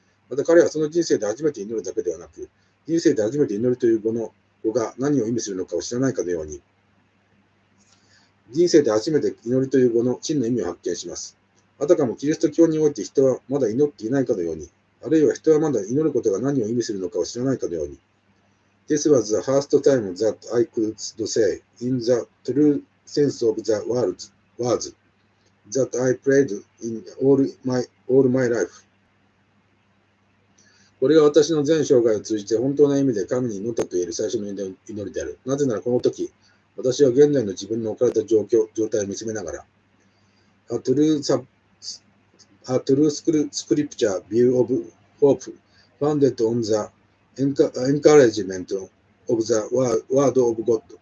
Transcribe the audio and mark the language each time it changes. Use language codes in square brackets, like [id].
[ja] また彼はその人生で初めて祈るだけではなく、人生で初めて祈るという語が何を意味するのかを知らないかのように、人生で初めて祈りという語の真の意味を発見します。あたかもキリスト教において人はまだ祈っていないかのように、あるいは人はまだ祈ることが何を意味するのかを知らないかのように。 [en] This was the first time that I could say in the true sense of the words that I prayed in all my life. [ja] これが私の全生涯を通じて本当の意味で神に祈ったと言える最初の祈りである。 [en] なぜならこの時、私は現在の自分の置かれた状態を見つめながら、 A true scripture view of hope founded on the encouragement of the word of God.